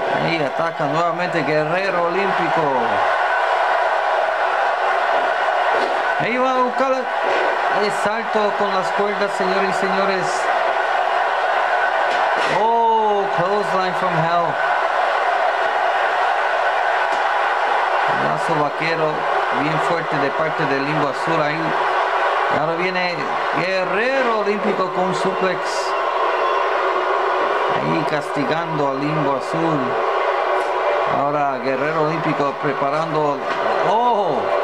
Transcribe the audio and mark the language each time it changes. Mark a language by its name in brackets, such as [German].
[Spanish] Y ataca nuevamente Guerrero Olímpico. Ahí va a buscar el salto con las cuerdas, señores y señores. [English] Oh, clothesline from hell. [Spanish] Brazo vaquero bien fuerte de parte de Limbo Azul ahí. Ahora viene Guerrero Olímpico con suplex. Ahí castigando a Limbo Azul. Ahora Guerrero Olímpico preparando. ¡Oh!